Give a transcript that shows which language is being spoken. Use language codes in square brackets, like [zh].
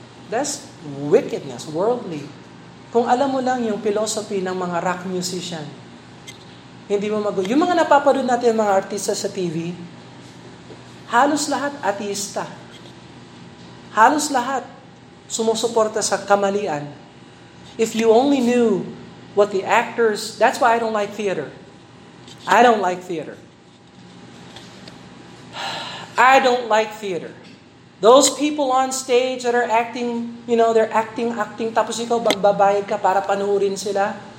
[en] That's wickedness, worldly. [tl] Kung alam mo lang yung philosophy ng mga rock musician, hindi mo mag- yung mga napapanood natin yung mga artista sa TV, halos lahat ateista. Halos lahat sumusuporta sa kamalian. [en] If you only knew what the actors, that's why I don't like theater. I don't like theater. I don't like theater. Those people on stage that are acting, you know, they're acting, [tl] tapos ikaw magbabayad ka para panoorin sila.